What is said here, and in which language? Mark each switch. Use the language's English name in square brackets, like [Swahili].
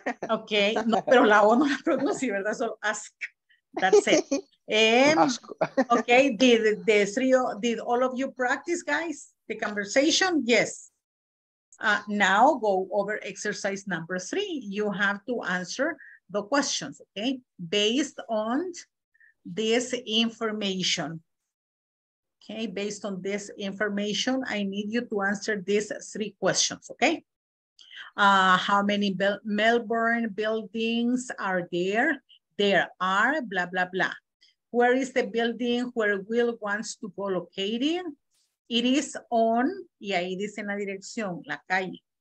[Spanish] Okay, no, pero la O no la pronuncio, ¿verdad? [English] So ask. That's it. Asco. Okay, did all of you practice, guys, the conversation? Yes. Now go over exercise number three. You have to answer the questions, okay? Based on this information. Okay, based on this information, I need you to answer these three questions, okay? How many Melbourne buildings are there? There are blah, blah, blah. Where is the building where Will wants to go located? It is on, [Spanish] y ahí dice la dirección, la calle.